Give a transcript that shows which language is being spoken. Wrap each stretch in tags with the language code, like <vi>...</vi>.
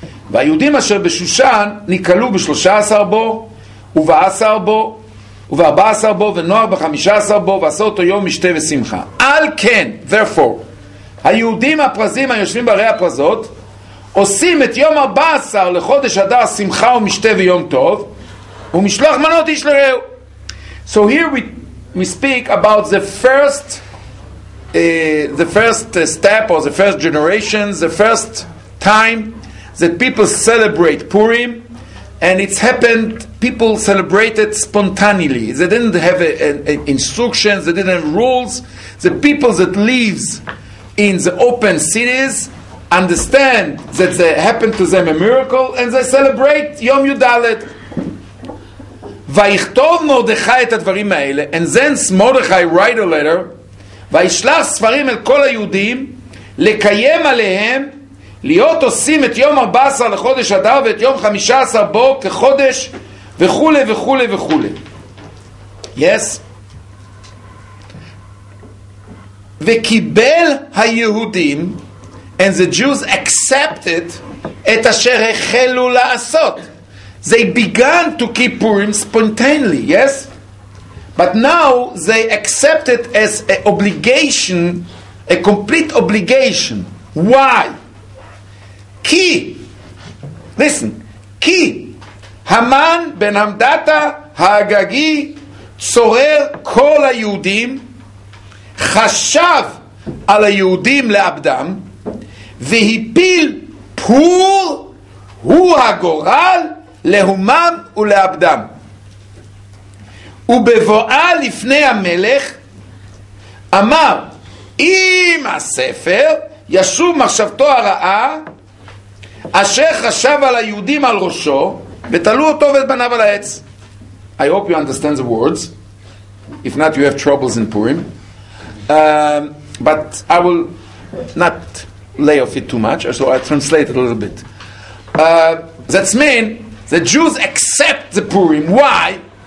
<he>והיהודים אשר בשושן נקהלו ב-13 בו וב-10 בו וב-14 בו ונוח ב-15 בו ועשה אותו יום משתה ושמחה. על כן,</he> <en>therefore,</en> <he>היהודים הפרזים היושבים בערי הפרזות עושים את יום 14 לחודש אדר שמחה ומשתה ויום טוב ומשלוח מנות איש לרעהו.</he> <en>So here we speak about the first step or the first generation, the first time that people celebrate Purim, and it's happened, people celebrated spontaneously. They didn't have instructions, they didn't have rules. The people that lives in the open cities understand that they happened to them a miracle and they celebrate Yom Yudalet.</en> <he>ויכתוב מרדכי את הדברים האלה,</he> <en>and then Mordechai write a letter,</en> <he>וישלח ספרים אל כל היהודים, לקיים עליהם, להיות עושים את יום 14 לחודש אדר, ואת יום 15 בו כחודש, וכו' וכו' וכו'.</he> <en>Yes.</en> <he>וקיבל היהודים,</he> <en>and the Jews accepted,</en> <he>את אשר החלו לעשות.</he> <en>They began to keep Purim spontaneously, yes? But now they accept it as an obligation, a complete obligation. Why?</en> <he>Ki,</he> <en>listen,</en> <he>ki, Haman ben Hamdata ha-Agagi tzorer kol ha-Yehudim chashav al ha-Yehudim le-Abdam vehipil pur hu ha-Goral lehumam ulabdam. ובבואה לפני המלך אמר, אם הספר ישוב מחשבתו הרעה אשר חשב על היהודים על ראשו ותלו אותו ואת בניו על העץ.</he> <en>I hope you understand the words. If not, you have troubles in Purim. But I will not lay off it too much, so I translate it a little bit. That's mean the Jews accept the Purim. Why?</en>